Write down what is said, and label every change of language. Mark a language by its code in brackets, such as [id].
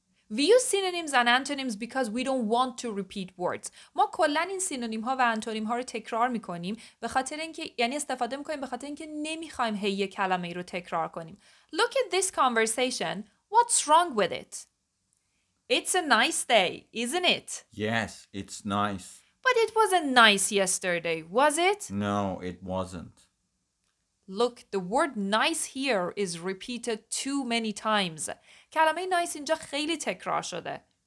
[en] We use synonyms and antonyms because we don't want to repeat words. [fa] ما کلن این سینونیم ها و انتونیم ها رو تکرار میکنیم به خاطر اینکه یعنی استفاده میکنیم به خاطر اینکه نمیخوایم هی یه کلمه ای رو تکرار کنیم. [en] Look at this conversation. What's wrong with it? It's a nice day, isn't it? Yes, it's nice. But it wasn't nice yesterday, was it? No, it wasn't. Look, the word nice here is repeated too many times. [fa] کلمه nice اینجا خیلی تکرار شده.